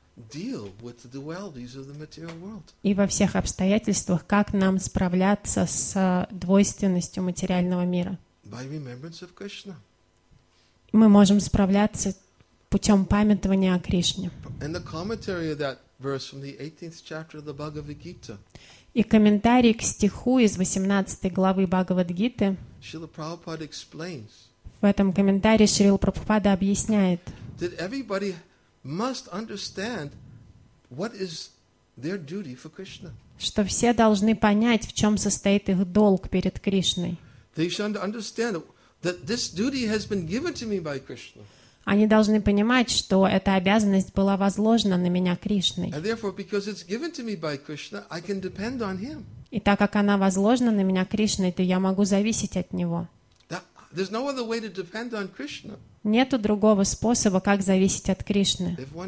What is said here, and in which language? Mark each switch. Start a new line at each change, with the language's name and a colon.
English: Deal with the dualities of the material world.
Russian: И во всех обстоятельствах, как нам справляться с двойственностью материального мира?
English: By remembrance of Krishna.
Russian: Мы можем справляться путем памятования о Кришне.
English: And the commentary of that verse from the 18th chapter of the Bhagavad Gita.
Russian: И комментарий к стиху из 18 главы Бхагавад-гиты.
English: Шрила Прабхупада explains.
Russian: В этом комментарии Шрила Прабхупада объясняет.
English: That everybody must understand what is their duty for Krishna.
Russian: Что все должны понять, в чем состоит их долг перед Кришной.
English: They should understand that this duty has been given to me by Krishna.
Russian: Они должны понимать, что эта обязанность была возложена на меня Кришной.
English: And therefore, because it's given to me by Krishna, I can depend on Him.
Russian: И так как она возложена на меня Кришной, то я могу зависеть от Него.
English: There's no other way to depend on Krishna.
Russian: Нету другого способа, как зависеть от Кришны.